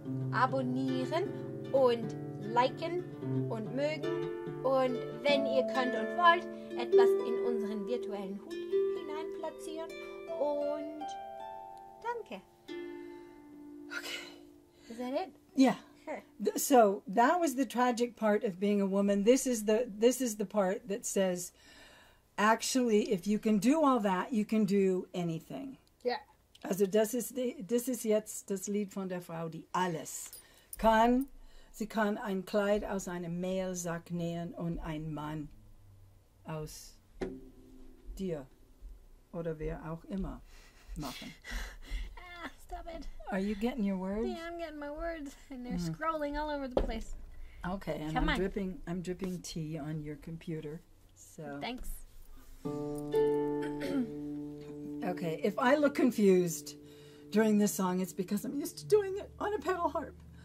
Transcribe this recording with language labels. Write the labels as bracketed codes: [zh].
[de] abonnieren und liken und mögen und wenn ihr könnt und wollt, etwas in unseren virtuellen Hut hineinplatzieren und danke. [en] Okay. Is that it? Yeah. Sure. So that was the tragic part of being a woman. This is the part that says actually if you can do all that, you can do anything. Yeah. [de] Also das ist jetzt das Lied von der Frau, die alles kann. Sie kann ein Kleid aus einem Mehlsack nähen und ein Mann aus dir oder wer auch immer machen. [en] Ah, stop it. Are you getting your words? Yeah, I'm getting my words and they're scrolling all over the place. Okay, and I'm dripping tea on your computer. So. Thanks. Okay, if I look confused during this song, it's because I'm used to doing it on a pedal harp.